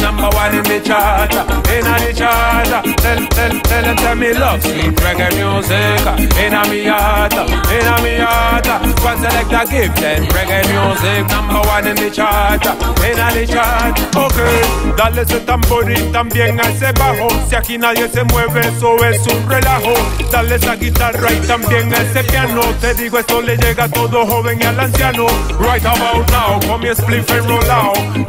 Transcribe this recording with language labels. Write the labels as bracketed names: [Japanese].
[English] Number one in the chart, in a the chart. Tell me love sweet reggae music. In a me heart, in a me heart. One select a gift and reggae music. Number one in the chart, in a the chart. [Spanish] Okay, dale ese tambor y también a ese bajo. Si aquí nadie se mueve, eso es un relajo. Dale esa guitarra y también a ese piano. Te digo, esto le llega a todo joven y al anciano. [English] Right about now, [Spanish] con mi [English] spliff and roll out.